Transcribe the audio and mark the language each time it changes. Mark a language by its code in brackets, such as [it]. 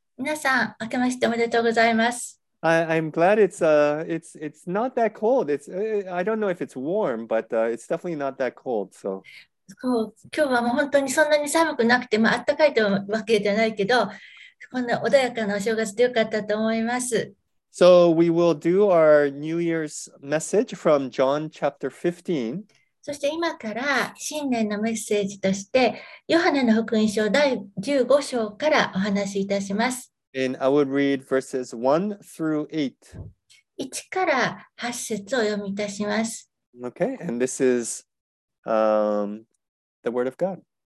[ja] 皆さん、明けましておめでとうございます。 [en] I'm glad it's not that cold. I don't know if it's warm, but it's definitely not that cold. So. [ja] そう、今日はもう本当にそんなに寒くなくて、まあ暖かいというわけじゃないけど、こんな穏やかなお正月でよかったと思います。 [en] So we will do our New Year's message from John chapter 15. [ja] そして今から新年のメッセージとして、ヨハネの福音書第15章からお話しいたします。 [en] And I would read verses 1 through 8. [ja] 1から8節を読みいたします。 [en] Okay, and this is the word of God.